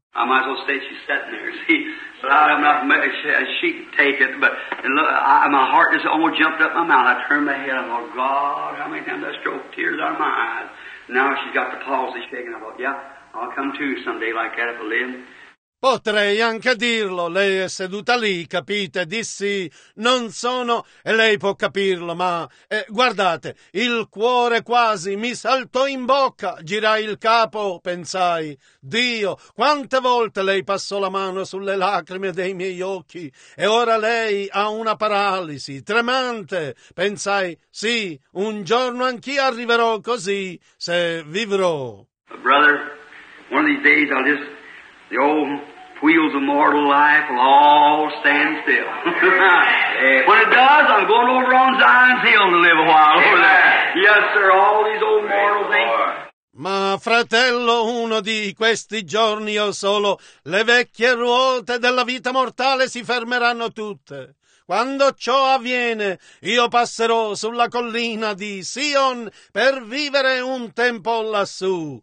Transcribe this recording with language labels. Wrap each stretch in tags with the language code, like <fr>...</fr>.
<en>I might as well say she's sitting there, see. But I'm not... She can take it, but... And look, my heart is almost jumped up my mouth. I turned my head, I thought, God, how many times I stroke tears out of my eyes. Now she's got the palsy shaking. I thought, yeah, I'll come too someday like that if I live.</en> <it>Potrei anche dirlo, lei è seduta lì, capite? Dissi, non sono, e lei può capirlo, ma guardate, il cuore quasi mi saltò in bocca, girai il capo, pensai, Dio, quante volte lei passò la mano sulle lacrime dei miei occhi, e ora lei ha una paralisi, tremante, pensai, sì, un giorno anch'io arriverò così, se vivrò.</it> <en>A brother, one of these days I'll just... The old wheels of mortal life will all stand still. When it does, I'm going over on Zion's Hill to live a while over there. Yes, sir, all these old mortal things.</en> <it>Ma fratello, uno di questi giorni o solo, le vecchie ruote della vita mortale si fermeranno tutte. Quando ciò avviene, io passerò sulla collina di Sion per vivere un tempo lassù.</it>